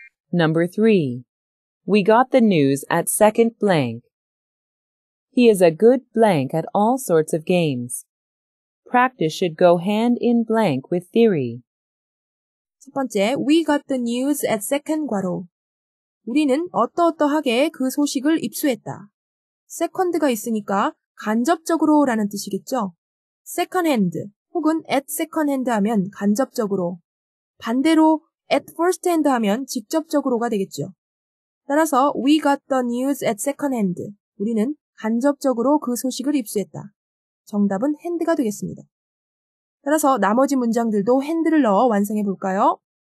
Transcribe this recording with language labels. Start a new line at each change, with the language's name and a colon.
English: Number 3. We got the news at second blank. He is a good blank at all sorts of games. Practice should go hand in blank with theory.
Korean: 첫 번째,
English: we got the news at second
Korean: 괄호. 우리는 어떠어떠하게 그 소식을 입수했다. second가 있으니까 간접적으로 라는 뜻이겠죠.
English: second hand 혹은 at second hand
Korean: 하면 간접적으로. 반대로
English: At first hand
Korean: 하면 직접적으로가 되겠죠. 따라서
English: We got the news at second hand.
Korean: 우리는 간접적으로 그 소식을 입수했다. 정답은 hand가 되겠습니다. 따라서 나머지 문장들도 hand를 넣어 완성해 볼까요?